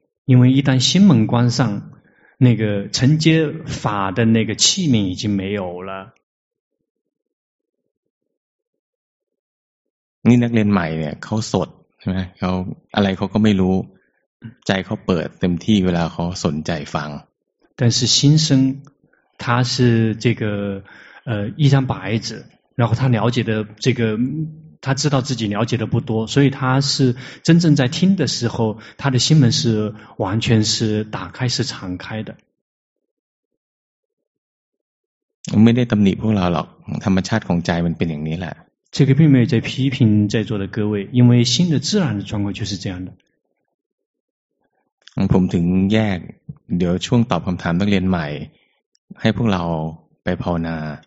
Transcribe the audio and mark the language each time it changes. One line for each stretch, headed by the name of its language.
Chinese: 因为一旦心门关上那个承接法的那个器皿已经没有了
Thai: นี่นักเรียนใหม่เนี่ยเขาสดใช่ไหมเขาอะไรเขาก็ไม่รู้ใจเขาเปิดเต็มที่เวลาเขาสนใจฟัง
Chinese: 但是新生他是这个一张白纸然后他了解的这个他知道自己了解的不多所以他是真正在听的时候他的心门是完全是打开是敞开的
Thai: ไม่ได้ตำหนิพวกเราหรอกธรรมชาติของใจมันเป็นอย่างนี้แหละ
Chinese: 这个并没有在批评在座的各位因为心的自然的状况就是这样的
Thai: ผมถึงแยกเดี๋ยวช่วงตอบคำถามนักเรียนใหม่ให้พวกเราไปภาวนา